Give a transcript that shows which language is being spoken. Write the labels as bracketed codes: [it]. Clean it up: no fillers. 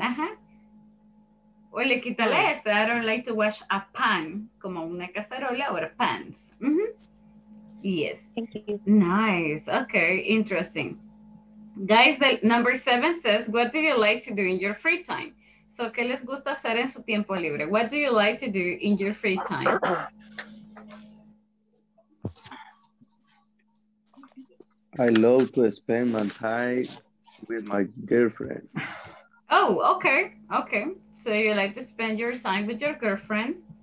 [en] Uh-huh. [es] O le quita la S. [en] I don't like to wash a pan, [es] como una cacerola [en] or pants. Mm-hmm. Yes. Thank you. Nice. Okay, interesting. Guys, the number 7 says, what do you like to do in your free time? [es] So, ¿qué les gusta hacer en su tiempo libre? [en] What do you like to do in your free time? I love to spend my time with my girlfriend. Oh, okay. So you like to spend your time with your girlfriend?